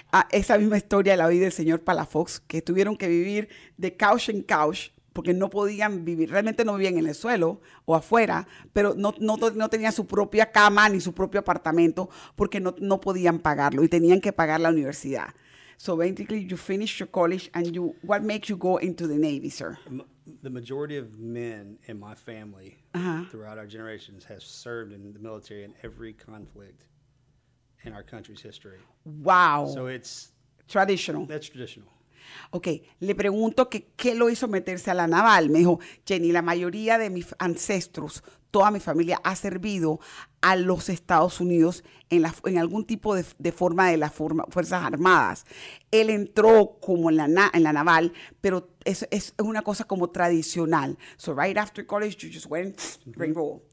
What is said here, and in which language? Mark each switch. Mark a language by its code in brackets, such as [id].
[es] Esa misma historia la oí del señor Palafox, que tuvieron que vivir de couch en couch. Porque no podían vivir, realmente no vivían en el suelo o afuera, pero no tenían su propia cama ni su propio apartamento porque no podían pagarlo y tenían que pagar la universidad. [en] So basically, you finished your college and what makes you go into the Navy, sir? The majority of men in my family throughout our generations have served in the military in every conflict in our country's history. Wow. So it's traditional. That's traditional. [es] Okay, le pregunto que qué lo hizo meterse a la naval. Me dijo, Jenny, la mayoría de mis ancestros, toda mi familia ha servido a los Estados Unidos en algún tipo de forma de las Fuerzas Armadas. Él entró como en la naval, pero es una cosa como tradicional. [en] So right after college, you just went, ring roll.